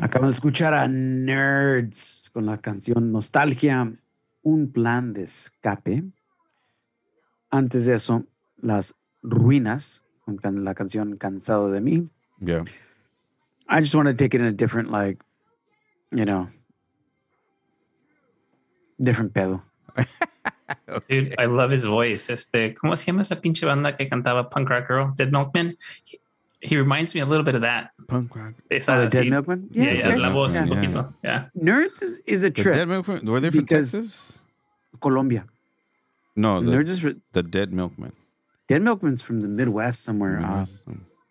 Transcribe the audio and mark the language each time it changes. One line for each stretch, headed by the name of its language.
Spanish: Acabo de escuchar a Nerds con la canción Nostalgia, un plan de escape. Antes de eso, Las Ruinas con la canción Cansado de Mí.
English: Yeah. I just want to take it in a different, like, you know, different pedo. Okay. Dude, I love his voice.
Spanish: Este, ¿cómo se llama esa pinche banda que cantaba Punk Rock Girl?
English: Dead Milkman. He reminds me a little bit of that. Punk Rock.
Spanish: Esa, the Dead Milkman?
English: Yeah, yeah,
Spanish: la voz
English: yeah.
Spanish: un poquito. Yeah.
English: Nerds is the trip. The Dead Milkman, were they from Texas? Colombia. No, the Nerds is the Dead Milkman. Dead Milkman's from the Midwest somewhere. Awesome.